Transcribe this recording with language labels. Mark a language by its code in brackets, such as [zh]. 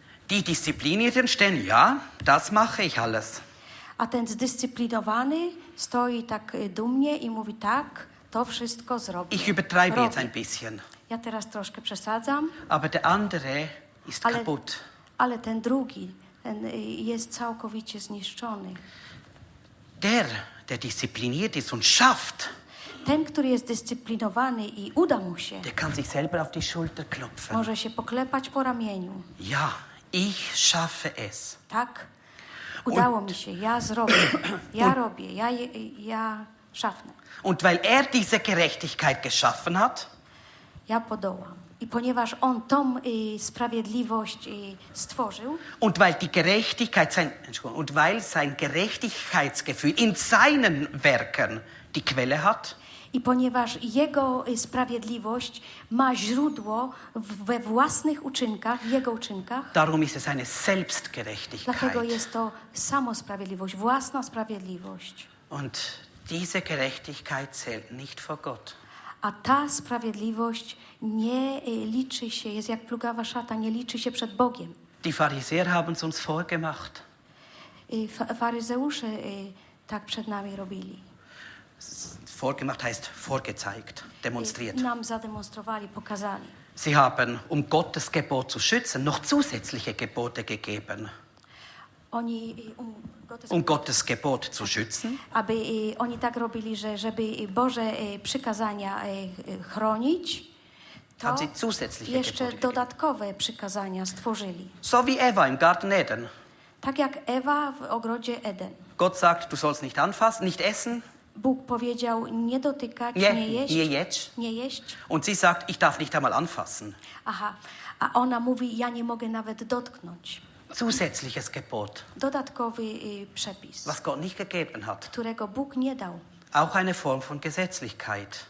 [de] Die disziplinierten stehen, ja, das mache ich alles. [pl] A ten zdyscyplinowany stoi tak dumnie i mówi tak, to wszystko zrobię. [de] Ich übertreibe jetzt ein bisschen. [pl] Ja teraz troszkę przesadzam. [de] Aber der andere ist kaputt. [pl] Ale ten drugi, ten jest całkowicie zniszczony. [de] Der diszipliniert ist und schafft. [pl] Ten, który jest dyscyplinowany i uda mu się. [de] Der kann sich selber auf die Schulter klopfen. [pl] Może się poklepać po ramieniu. [de] Ja, ich schaffe es. [pl] Tak. Udało mi się. Ja zrobię. Ja robię. [de] Ja schaffe. Und weil diese Gerechtigkeit geschaffen hat, [pl] ja podołam. I ponieważ on tą sprawiedliwość stworzył, [de] und weil die Gerechtigkeit sein Gerechtigkeitsgefühl in seinen Werken die Quelle hat, [pl] i ponieważ jego sprawiedliwość ma źródło we własnych uczynkach, w jego uczynkach, [de] darum ist es eine Selbstgerechtigkeit. [pl] Dlatego jest to samosprawiedliwość, własna sprawiedliwość. [de] Und diese Gerechtigkeit zählt nicht vor Gott. [pl] A ta sprawiedliwość nie liczy się, jest jak plugawa szata, nie liczy się przed Bogiem. [de] Die Pharisäer haben es uns vorgemacht. [pl] Faryzeusze tak przed nami robili. [de] Vorgemacht heißt vorgezeigt, demonstriert. [pl] Nam zademonstrowali, pokazali. [de] Sie haben, Gottes Gebot zu schützen, noch zusätzliche Gebote gegeben. [pl] Oni [de] Gottes Gebot zu schützen. [pl] Aby oni tak robili, że żeby Boże przykazania chronić, to jeszcze dodatkowe przykazania stworzyli. [de] So wie Eva im Garten Eden. [pl] Tak jak Ewa w ogrodzie Eden. [de] Gott sagt, du sollst nicht anfassen, nicht essen. [pl] Bóg powiedział nie dotykać, nie jeść. Nie jedz. Nie jeść. [de] Und sie sagt, ich darf nicht einmal anfassen. Aha. [pl] A ona mówi, ja nie mogę nawet dotknąć. [de] Zusätzliches Gebot. [pl] Dodatkowy przepis. [de] Was Gott nicht gegeben hat. [pl] Którego Bóg nie dał. [de] Auch eine Form von Gesetzlichkeit.